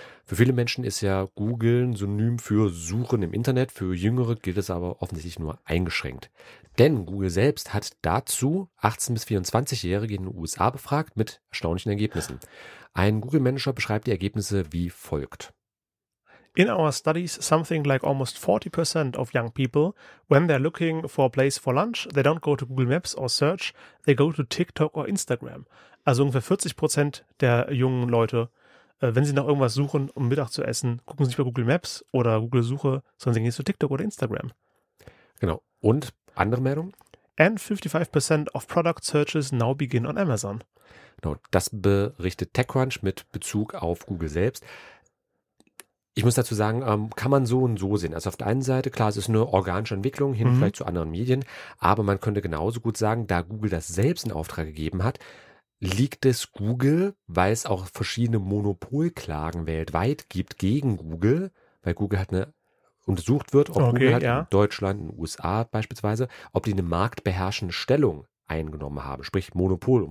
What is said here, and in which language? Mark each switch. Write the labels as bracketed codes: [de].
[de] Für viele Menschen ist ja Googlen synonym für Suchen im Internet, für Jüngere gilt es aber offensichtlich nur eingeschränkt. Denn Google selbst hat dazu 18- bis 24-Jährige in den USA befragt mit erstaunlichen Ergebnissen. Ein Google-Manager beschreibt die Ergebnisse wie folgt. [en] In our studies, something like almost 40% of young people, when they're looking for a place for lunch, they don't go to Google Maps or search, they go to TikTok or Instagram. [de] Also ungefähr 40% der jungen Leute, wenn sie nach irgendwas suchen, um Mittag zu essen, gucken sie nicht bei Google Maps oder Google Suche, sondern sie gehen zu TikTok oder Instagram. Genau. Und andere Meldung? [en] And 55% of product searches now begin on Amazon. [de] Genau. Das berichtet TechCrunch mit Bezug auf Google selbst. Ich muss dazu sagen, kann man so und so sehen. Also auf der einen Seite, klar, es ist eine organische Entwicklung hin vielleicht zu anderen Medien, aber man könnte genauso gut sagen, da Google das selbst in Auftrag gegeben hat, liegt es Google, weil es auch verschiedene Monopolklagen weltweit gibt gegen Google, weil Google halt eine untersucht wird, ob Google halt in Deutschland, in den USA beispielsweise, ob die eine marktbeherrschende Stellung eingenommen haben, sprich Monopol.